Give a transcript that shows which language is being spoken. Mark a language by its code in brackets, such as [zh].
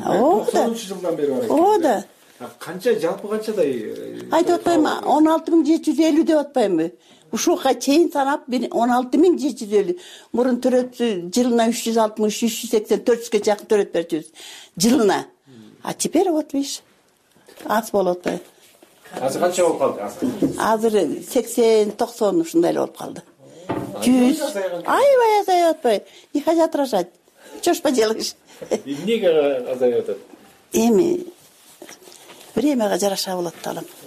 [ky] 93 жылдан бери бар экен. О да. Канча, жалпы канчадай? Айтып атпайм, 16750 деп атпаймбы? Ушуга чейин санап 16750. Мурун төрөтү жылына 360, 380, 400ге жакын төрөт берчүбүз жылына. [ru] А теперь вот видишь, [ky] аз болуп атпайбы. Азыр канча болуп калды? Азыр 80-90 ушундай эле болуп калды. [ru] 100. [ky] Аябай азайып атпайбы. [ru] Не хотят рожать? Чё ж поделаешь? [ky] Эмнеге азайып атат? Эми времяга жараша болот да алам.